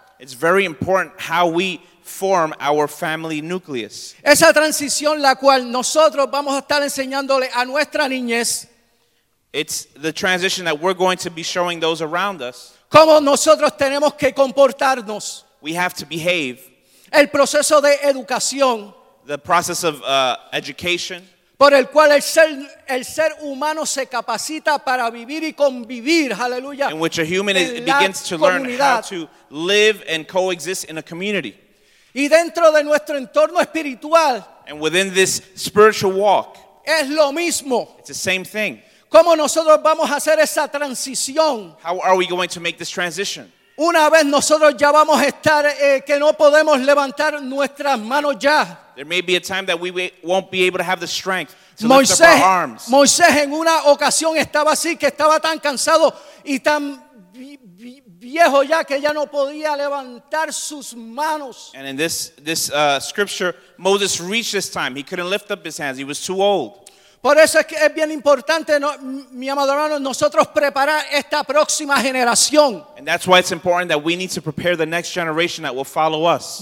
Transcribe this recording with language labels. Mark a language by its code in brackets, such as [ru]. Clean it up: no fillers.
[en] It's very important how we form our family nucleus. [es] Esa transición la cual nosotros vamos a estar enseñándole a nuestra niñez. [en] It's the transition that we're going to be showing those around us. [es] ¿Cómo nosotros tenemos que comportarnos? [en] We have to behave. [es] El proceso de educación. [en] The process of education. [es] Por el cual el ser humano se capacita para vivir y convivir, aleluya. [en] In which a human begins to learn how to live and coexist in a community. [es] Y dentro de nuestro entorno espiritual. [en] And within this spiritual walk. [es] Es lo mismo. [en] It's the same thing. [es] ¿Cómo nosotros vamos a hacer esa transición? [en] How are we going to make this transition? [es] Una vez nosotros ya vamos a estar que no podemos levantar nuestras manos ya. [en] There may be a time that we won't be able to have the strength to Moisés, lift up our arms. [es] Moisés en una ocasión estaba así, que estaba tan cansado y tan viejo ya, que ya no podía levantar sus manos. [en] And in this scripture, Moses reached this time. He couldn't lift up his hands. He was too old. [es] Por eso es que es bien importante, ¿no? Mi amado hermano, nosotros preparar esta próxima generación. [en] And that's why it's important that we need to prepare the next generation that will follow us.